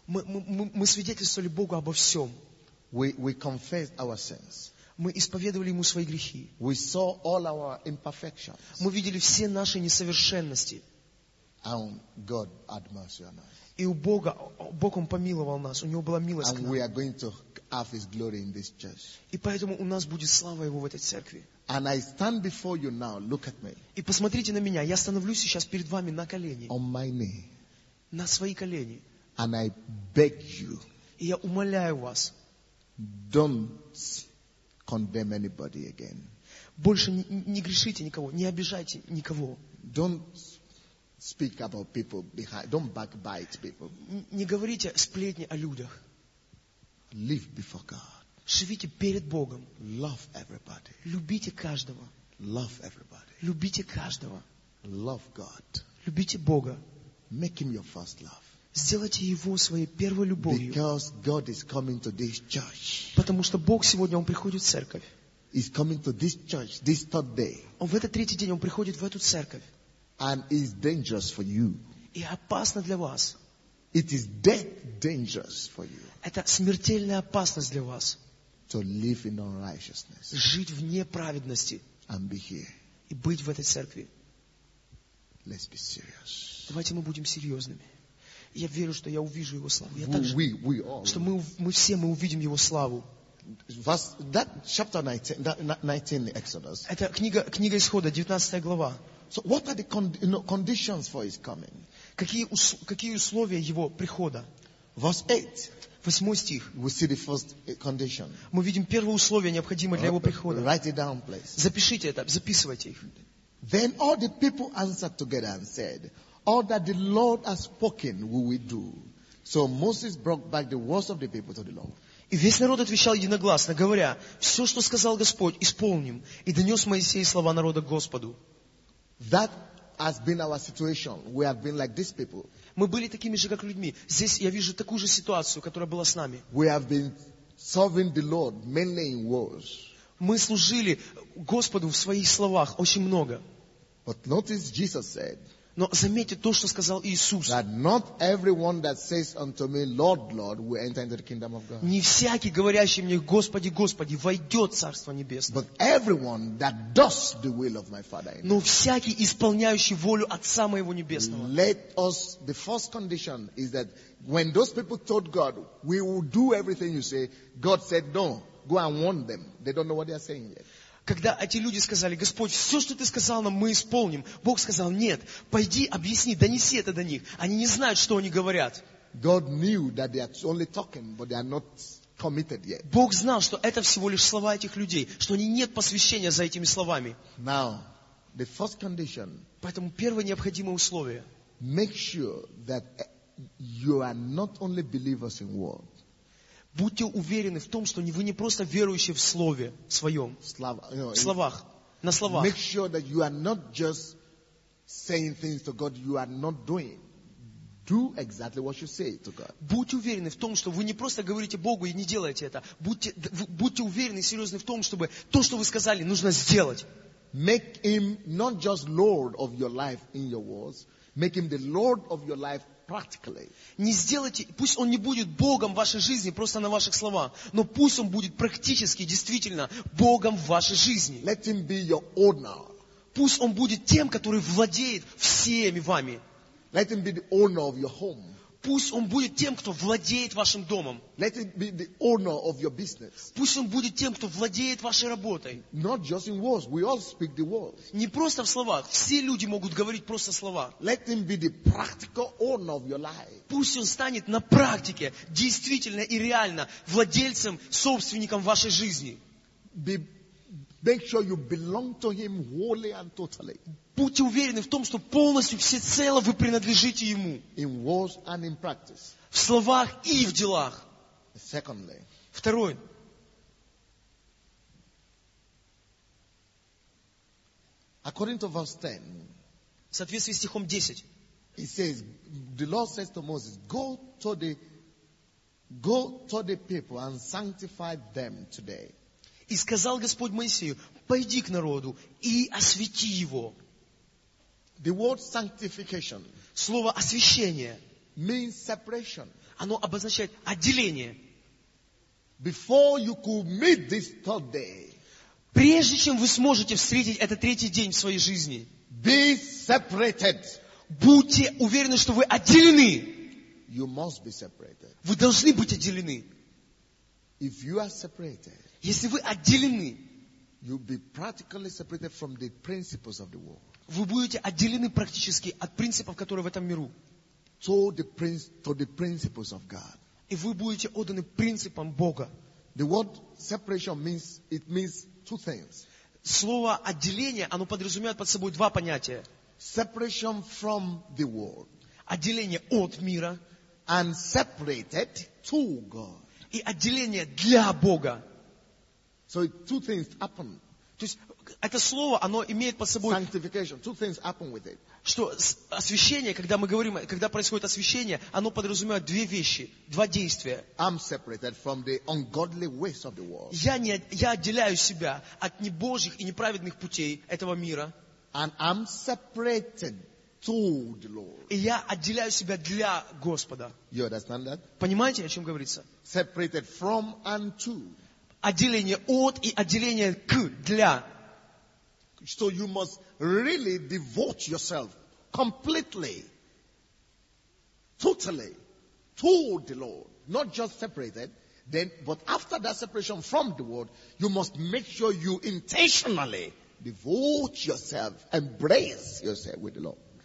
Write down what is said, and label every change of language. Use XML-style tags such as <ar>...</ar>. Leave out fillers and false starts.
<ru>Мы свидетельствовали Богу обо всем.</ru> <en>We confessed our sins.</en> <ru>Мы исповедовали ему свои грехи.</ru> <en>We saw all our imperfections.</en> <ru>Мы видели все наши несовершенности.</ru> <en>And God had mercy on us.</en> <ru>И у Бога, Бог он помиловал нас, у него была милость</ru> <en>And</en> <ru>к нам.</ru> <en>We are going to have his glory in this church.</en> <ru>И поэтому у нас будет слава его в этой церкви.</ru> <en>And I stand before you now, look at me.</en> <ru>И посмотрите на меня, я становлюсь сейчас перед вами на колени.</ru> <en>On my knee.</en> <ru>На свои колени.</ru> <en>And I beg you.</en> <ru>И я умоляю вас.</ru> <en>Don't condemn anybody again.</en> <ru>Больше не грешите никого, не обижайте никого.</ru> <en>Don't speak about people behind. Don't backbite people.</en> <ru>Не говорите сплетни о людях.</ru> <en>Live before God.</en> <ru>Живите перед Богом.</ru> <en>Love everybody.</en> <ru>Любите каждого.</ru> <en>Love everybody.</en> <ru>Любите каждого.</ru> <en>Love God.</en> <ru>Любите Бога.</ru> <en>Make him your first love.</en> <ru>Сделайте его своей первой любовью.</ru> <en>Because God is coming to this church.</en> <ru>Потому что Бог сегодня он приходит в церковь.</ru> <en>He's coming to this church this third day.</en> <ru>Он в этот третий день он приходит в эту церковь.</ru> <en>And it's dangerous for you.</en> <ru>И опасно для вас.</ru> <en>It is death dangerous for you.</en> <ru>Это смертельная опасность для вас.</ru> <en>To live in unrighteousness.</en> <ru>Жить в неправедности.</ru> <en>And be here.</en> <ru>И быть в этой церкви.</ru> <en>Let's be serious.</en> <ru>Давайте мы будем серьезными. Я верю, что я увижу его славу. Я мы все увидим его славу.</ru> <en>That chapter 19 in Exodus.</en> <ru>Это книга Исхода, 19 глава.</ru> <en>So what are the conditions for his coming?</en> <ru>Какие условия его прихода?</ru> <en>Verse 8.</en> <ru>8 стих.</ru> <en>We see the first condition.</en> <ru>Мы видим первое условие, необходимое для его прихода.</ru> <en>Write it down, please.</en> <ru>Запишите это, записывайте их.</ru> <en>Then all the people answered together and said, all that the Lord has spoken will we do. So Moses brought back the words of the people to the Lord.</en> <ru>И весь народ отвечал единогласно, говоря, все, что сказал Господь, исполним. И донес Моисей слова народа к Господу.</ru> <en>That has been our situation. We have been like these people.</en> <ru>Мы были такими же, как людьми. Здесь я вижу такую же ситуацию, которая была с нами.</ru> <en>We have been serving the Lord mainly in words.</en> <ru>Мы служили Господу в своих словах очень много.</ru> <en>But notice Jesus said.</en> <ru>Но заметьте то, что сказал Иисус.</ru> <en>That not everyone that says unto me, Lord, Lord, will enter into the kingdom of God.</en> <ru>Не всякий, говорящий мне, Господи, Господи, войдет в Царство Небесное.</ru> <en>But everyone that does the will of my Father.</en> <ru>Но всякий, исполняющий волю Отца моего Небесного.</ru> <en>Let us, the first condition is that when those people told God, we will do everything you say, God said, no, go and warn them. They don't know what they are saying yet.</en> <ru>Когда эти люди сказали, Господь, все, что ты сказал нам, мы исполним. Бог сказал, нет, пойди, объясни, донеси это до них. Они не знают, что они говорят.</ru> <en>God knew that they are only talking, but they are not committed yet.</en> <ru>Бог знал, что это всего лишь слова этих людей, что у них нет посвящения за этими словами.</ru> <en>Now, The first condition.</en> <ru>Поэтому первое необходимое условие.</ru> <en>Make sure that you are not only believers in word.</en> <ru>Будьте уверены в том, что вы не просто верующие в слове своем, в словах, на словах.</ru> <en>Make sure that you are not just saying things to God you are not doing. Do exactly what you say to God.</en> <ru>Будьте уверены в том, что вы не просто говорите Богу и не делаете это. Будьте уверены и серьезны в том, чтобы то, что вы сказали, нужно сделать.</ru> <en>Make him not just Lord of your life in your words. Make him the Lord of your life practically.</en> <ru>Не сделайте, пусть он не будет Богом в вашей жизни просто на ваших словах, но пусть он будет практически, действительно, Богом в вашей жизни.</ru> <en>Let him be your owner.</en> <ru>Пусть он будет тем, который владеет всеми вами.</ru> <en>Let him be the owner of your home.</en> <ru>Пусть он будет тем, кто владеет вашим домом.</ru> <en>Let him be the owner of your business.</en> <ru>Пусть он будет тем, кто владеет вашей работой.</ru> <en>Not just in words, we all speak the words.</en> <ru>Не просто в словах. Все люди могут говорить просто слова.</ru> <en>Let him be the practical owner of your life.</en> <ru>Пусть он станет на практике, действительно и реально, владельцем, собственником вашей жизни.</ru> <en>Make sure you belong to him wholly and totally.</en> <ru>Будьте уверены в том, что полностью, всецело вы принадлежите Ему.</ru> <en>In words and in practice.</en> <ru>В словах и в делах.</ru> <en>Secondly.</en> <ru>Второе.</ru> <en>According to verse 10.</en> <ru>В соответствии с стихом 10.</ru> <en>It says, the Lord says to Moses, go to the people and sanctify them today.</en> <ru>И сказал Господь Моисею, пойди к народу и освяти его.</ru> <en>The word sanctification.</en> <ru>Слово освящение.</ru> <en>Means separation.</en> <ru>Оно обозначает отделение.</ru> <en>Before you could meet this third day.</en> <ru>Прежде чем вы сможете встретить этот третий день в своей жизни.</ru> <en>Be separated.</en> <ru>Будьте уверены, что вы отделены.</ru> <en>You must be separated.</en> <ru>Вы должны быть отделены.</ru> <en>If you are separated.</en> <ru>Если вы отделены.</ru> <en>You'll be practically separated from the principles of the world.</en> <ru>Вы будете отделены практически от принципов, которые в этом миру.</ru> <en>To the principles of God.</en> <ru>И вы будете отданы принципам Бога.</ru> <en>The word separation means, it means two things.</en> <ru>Слово отделение, оно подразумевает под собой два понятия.</ru> <en>Separation from the world.</en> <ru>Отделение от мира.</ru> <en>And separated to God.</en> <ru>И отделение для Бога.</ru> <en>So two things happen.</en> <ru>То есть это слово, оно имеет под собой</ru> <en>sanctification. Two things happen with it.</en> <ru>Что освящение, когда мы говорим, когда происходит освящение, оно подразумевает две вещи, два действия.</ru> <en>I'm separated from the ungodly ways of the world.</en> <ru>Я отделяю себя от небожьих и неправедных путей этого мира.</ru> <en>And I'm separated to the Lord.</en> <ru>И я отделяю себя для Господа.</ru> <en>You understand that?</en> <ru>Понимаете, о чем говорится?</ru> <en>Separated from and to.</en> <ru>Отделение от и отделение к, для.</ru> <en>So you must really devote yourself completely, totally to the Lord. Not just separated, then, but after that separation from the world, you must make sure you intentionally devote yourself, embrace yourself with the Lord.</en>